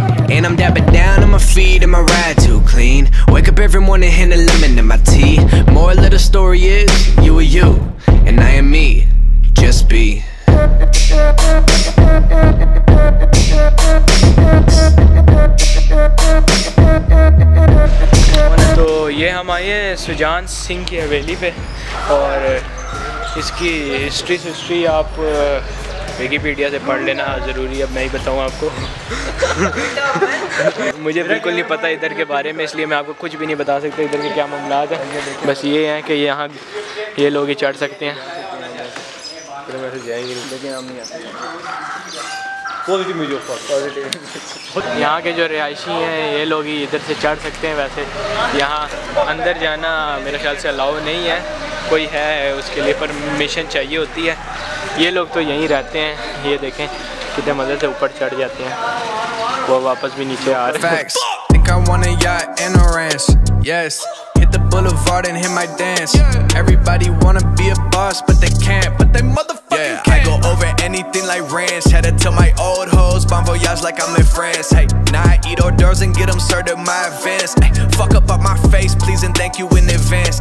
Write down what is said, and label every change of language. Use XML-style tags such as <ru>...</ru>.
<en>And I'm dabbing down on my feet and my ride too clean. Wake up every morning and a lemon in my tea. More little story is you are you and I am me. Just be.</en> <hi>तो ये हम आए हैं सुजान सिंह की हवेली पे, और इसकी history history आप विकिपीडिया से पढ़ लेना ज़रूरी है, अब मैं ही बताऊँ आपको। मुझे बिल्कुल नहीं पता इधर के बारे में, इसलिए मैं आपको कुछ भी नहीं बता सकता इधर के क्या मामला है। बस ये है कि यहाँ ये लोग ही चढ़ सकते हैं, यहाँ के जो रिहायशी हैं ये लोग ही इधर से चढ़ सकते हैं। वैसे यहाँ अंदर जाना मेरे ख्याल से अलाउ नहीं है, कोई है उसके लिए परमिशन चाहिए होती है। ये लोग तो यहीं रहते हैं, ये देखें कितने मज़े से ऊपर चढ़ जाते हैं, वो वापस भी नीचे आ रहे हैं।</hi> <en>The boulevard and hit my dance. Yeah. Everybody wanna be a boss, but they can't. But they motherfucking yeah. can't. I go over anything like rants. Had to tell my old hoes, bon voyage like I'm in France. Hey, now I eat hors d'oeuvres and get them served at my events. Hey, fuck up on my face, please and thank you in advance.</en>